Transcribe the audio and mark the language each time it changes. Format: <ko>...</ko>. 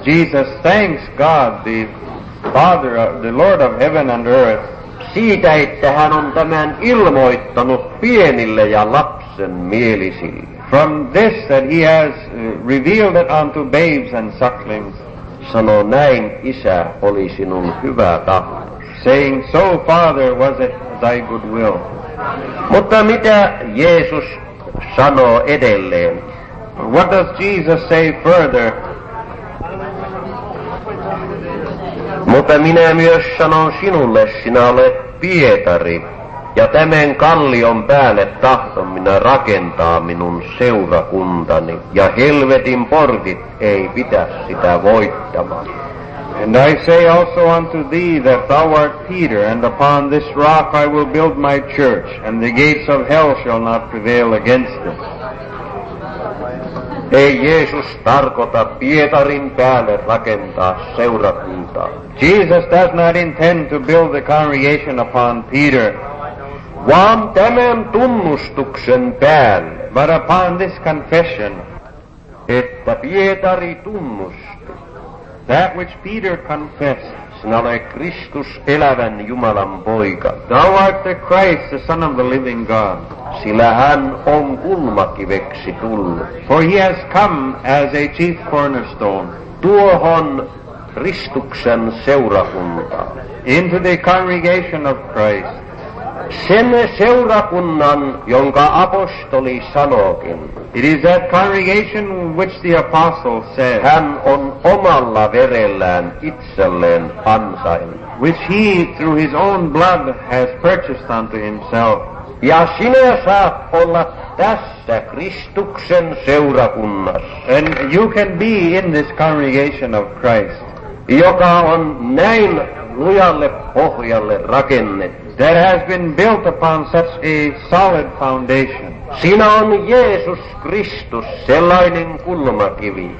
<en>Jesus thanks God, the Father, the Lord of heaven and earth.</en> <fi>Siitä, että hän on tämän ilmoittanut pienille ja lapsille.</fi> <en>From this that he has revealed it unto babes and sucklings.</en> <fi>Sano näin, isä, oli sinun hyvä tahto.</fi> <en>Saying, so Father, was it thy good will.</en> <fi>Mutta mitä Jeesus sanoo edelleen?</fi> <en>What does Jesus say further?</en> <fi>Mutta minä myös sanon sinulle, sinä olet Pietari. Ja tämän kallion päälle tahton minä rakentaa minun seurakuntani, ja helvetin portit ei pidä sitä voittamaan.</fi> <en>And I say also unto thee that thou art Peter, and upon this rock I will build my church, and the gates of hell shall not prevail against it.</en> <fi>Ei Jeesus tarkoita Pietarin päälle rakentaa seurakuntaa.</fi> <en>Jesus does not intend to build the congregation upon Peter.</en> <fi>Vaan tämän tunnustuksen päälle.</fi> <en>But upon this confession.</en> <fi>Että Pietari tunnustui.</fi> <en>That which Peter confessed.</en> <fi>Sinä olet Kristus elävän Jumalan poika.</fi> <en>Thou art the Christ, the Son of the living God.</en> <fi>Sillä hän on kulmakiveksi tullut.</fi> <en>For he has come as a chief cornerstone.</en> <fi>Tuohon Kristuksen seurakuntaan.</fi> <en>Into the congregation of Christ.</en> <fi>sen seurakunnan, jonka apostoli sanookin.</fi> <en>It is that congregation which the apostle said.</en> <fi>Hän on omalla verellään itselleen ansainnut.</fi> <en>Which he, through his own blood, has purchased unto himself.</en> <fi>Ja sinä saat olla tässä Kristuksen seurakunnassa.</fi> <en>And you can be in this congregation of Christ.</en> <fi>Joka on näin lujalle pohjalle rakennettu.</fi> <en>That has been built upon such a solid foundation.</en> <fi>Siinä on Jeesus Kristus sellainen kulmakivi.</fi>